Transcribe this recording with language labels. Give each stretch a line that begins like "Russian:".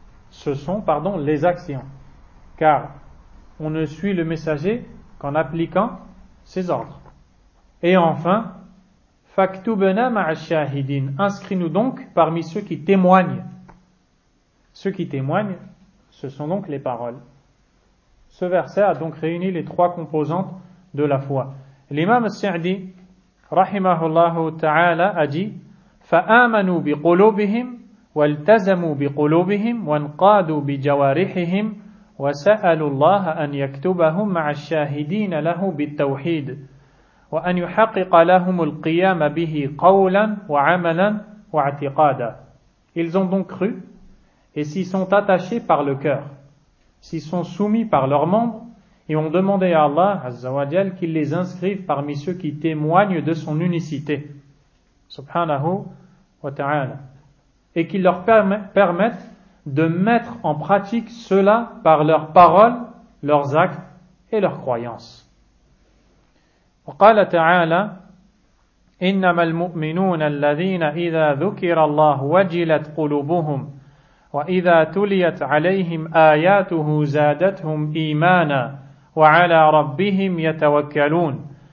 French: Ce sont, pardon, les actions. Car on ne suit le messager qu'en appliquant ses ordres. Et enfin,
Arabic: فَاكْتُبَنَا مَعَ الشَّاهِدِينَ,
French: inscris-nous donc parmi ceux qui témoignent. Ceux qui témoignent, ce sont donc les paroles. Ce verset a donc réuni les trois composantes de la foi. L'imam Sa'di rahimahullah ta'ala a dit
Arabic: فَآمَنُوا بِقُلُوبِهِمْ وَالْتَزَمُوا بِقُلُوبِهِمْ وَانْقَادُوا بِجَوَارِحِهِمْ وَسَأَلُوا اللَّهَ أَنْ يَكْتُبَهُمْ مَعَ الشَّاهِدِينَ لَهُ بِالتَّوْحِيدِ وَأَنْ يُحَقِّقَ لَهُمُ الْقِيَامَ بِهِ قَوْلًا وَعَمَلًا وَاعْتِقَادًا.
French: Ils ont donc cru et s'y sont attachés par le cœur, s'y sont soumis par leurs membres et ont demandé à Allah Azza wa Jal qu'il les inscrive parmi ceux qui témoignent de son unicité, subhanahu wa ta'ala, et qu'il leur permette de mettre en pratique cela par leurs paroles leurs actes et leurs croyances.
Arabic: وقال تعالى إنما المؤمنون الذين إذا ذكر الله وجلت قلوبهم وإذا تليت عليهم آياته زادتهم إيمانا وعلى ربهم يتوكلون